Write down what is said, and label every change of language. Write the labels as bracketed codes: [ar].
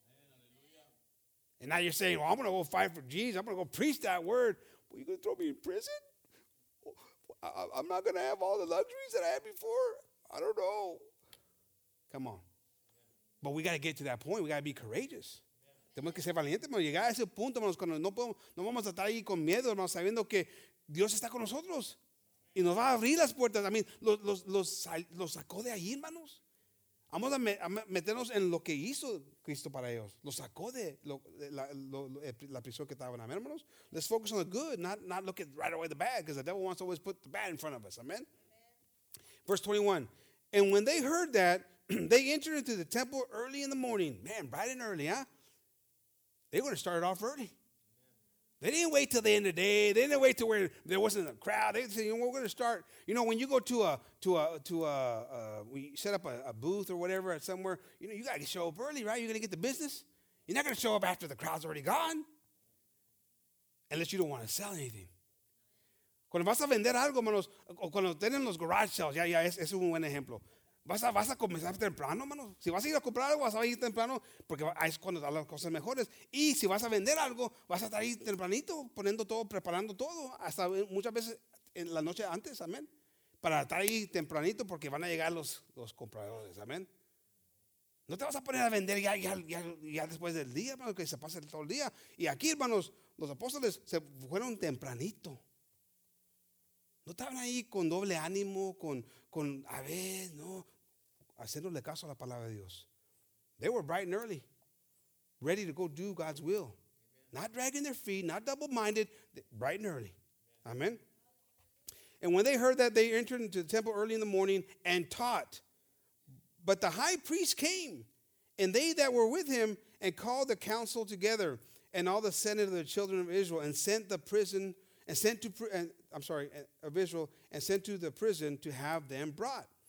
[en] Amen. And now you're saying, well, I'm going to go fight for Jesus. I'm going to go preach that word. Well, you going to throw me in prison? I'm not going to have all the luxuries that I had before? I don't know. Come on. But we got to get to that point. We got to be courageous. [es] Tenemos que ser valientes, hermano. Llegar a ese punto, hermanos, cuando no vamos a estar ahí con miedo, hermanos, sabiendo que Dios está con nosotros y nos va a abrir las puertas. Los sacó de ahí, hermanos. Vamos a meternos en lo que hizo Cristo para ellos. Los sacó de la prisión que estaban, amén, hermanos. [en] Let's focus on the good, not look at right away the bad, because the devil wants to always put the bad in front of us, amen. Verse 21, and when they heard that, they entered into the temple early in the morning. Man, bright and early, huh? They were going to start it off early. They didn't wait till the end of the day. They didn't wait till where there wasn't a crowd. They said, you know, we're going to start. You know, when you go to a booth or whatever at somewhere, you know, you got to show up early, right? You're going to get the business. You're not going to show up after the crowd's already gone. Unless you don't want to sell anything. [es] Cuando vas a vender algo, manos, o cuando tienen los garage sales, ya, ese es un buen ejemplo. Vas a comenzar temprano, hermano. Si vas a ir a comprar algo, vas a ir temprano, porque es cuando están las cosas mejores. Y si vas a vender algo, vas a estar ahí tempranito, poniendo todo, preparando todo, hasta muchas veces en la noche antes, amén. Para estar ahí tempranito, porque van a llegar los compradores, amén. No te vas a poner a vender ya después del día, hermano, que se pase todo el día. Y aquí, hermanos, los apóstoles se fueron tempranito. No estaban ahí con doble ánimo, con a ver, no, haciéndole caso a la palabra de Dios. [en] They were bright and early, ready to go do God's will. Amen. Not dragging their feet, not double-minded, bright and early. Amen. And when they heard that, they entered into the temple early in the morning and taught. But the high priest came, and they that were with him, and called the council together, and all the senate of the children of Israel, and sent the prison And sent to, I'm sorry, of Israel, and sent to the prison to have them brought.